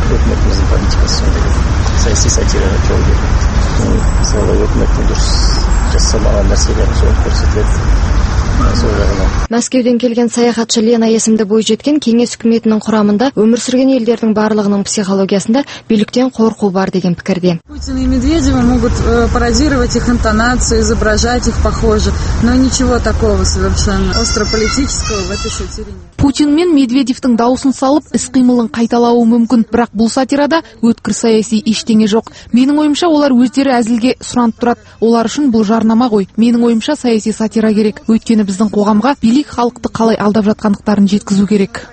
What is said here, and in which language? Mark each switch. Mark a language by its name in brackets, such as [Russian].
[Kazakh] Үкіметіміздің политикасы сондай. Саяси сатираға жол бермейді. Мысалы үкіметтің дұрыс жасамаған нәрселерін сол көрсетіледі. Мәскеуден келген саяхатшы Лена есімді бойжеткен кеңес үкіметінің құрамында өмір сүрген елдердің барлығының психологиясында биліктен қорқу бар деген пікірде. [Russian] Путин и Медведева могут пародировать их интонацию, изображать их похоже, но ничего такого совершенно острополитического в этой сатире нет. [Kazakh] Путин мен Медведевтің даусын салып, іс-қимылын қайталауы мүмкін, бірақ бұл сатирада өткір саяси ештеңе жоқ. Менің ойымша, олар өздері әзілге сұранып тұрады. Олар үшін бұл жарнама ғой. Менің ойымша, саяси сатира керек. Өйткені біздің қоғамға билік халықты қалай алдап жатқандықтарын жеткізу керек.